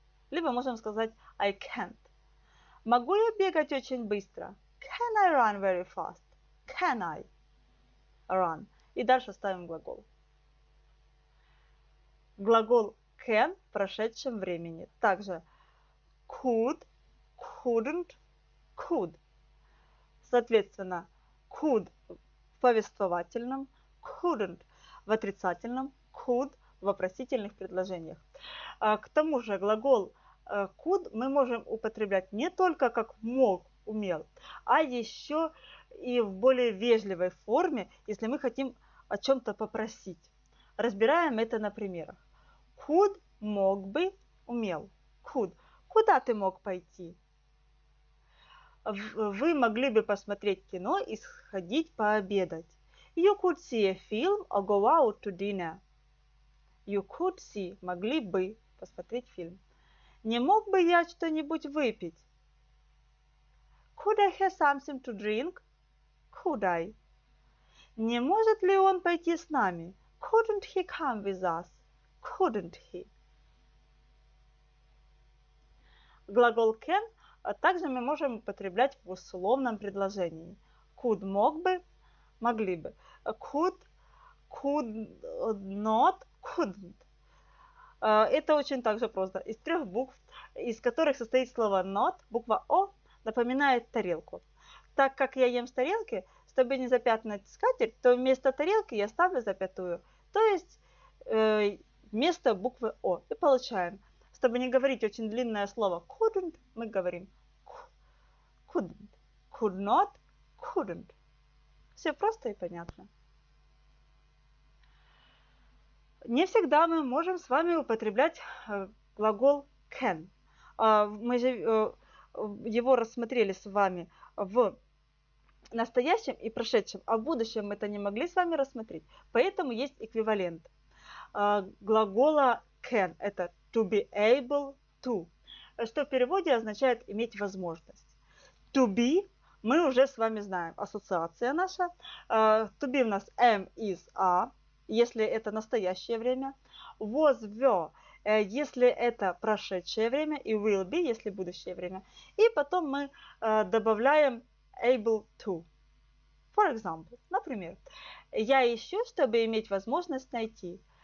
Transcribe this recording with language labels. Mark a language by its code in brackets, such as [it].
[ru] Либо можем сказать [en] I can't. [ru] Могу я бегать очень быстро? [en] Can I run very fast? Can I run? [ru] И дальше ставим глагол. Глагол can в прошедшем времени. Также could, couldn't, could. Соответственно, could в повествовательном, couldn't в отрицательном, could в вопросительных предложениях. К тому же глагол could мы можем употреблять не только как мог, умел, а еще и в более вежливой форме, если мы хотим о чем-то попросить. Разбираем это на примерах. Could, мог бы, умел. Could. Куда ты мог пойти? Вы могли бы посмотреть кино и сходить пообедать. [en] You could see a film or go out to dinner. You could see, [ru] могли бы посмотреть фильм. Не мог бы я что-нибудь выпить? [en] Could I have something to drink? Could I? [ru] Не может ли он пойти с нами? [en] Couldn't he come with us? Couldn't he? [ru] Глагол can также мы можем употреблять в условном предложении. Could мог бы, могли бы. [en] Could, could not, couldn't. [ru] Это очень также просто. Из трех букв, из которых состоит слово not, буква O напоминает тарелку. Так как я ем с тарелки, чтобы не запятнать скатерть, то вместо тарелки я ставлю запятую, то есть вместо буквы O. И получаем, чтобы не говорить очень длинное слово couldn't, мы говорим couldn't, could not, couldn't. Все просто и понятно. Не всегда мы можем с вами употреблять глагол can. Мы же его рассмотрели с вами в настоящем и прошедшем, а в будущем мы это не могли с вами рассмотреть. Поэтому есть эквивалент глагола can. Это to be able to, что в переводе означает иметь возможность. To be мы уже с вами знаем, ассоциация наша. To be у нас am, is, are. Если это настоящее время. Was, were, если это прошедшее время. И will be, если будущее время. И потом мы добавляем able to. [en] For example, [ru] например, я ищу, чтобы иметь возможность найти.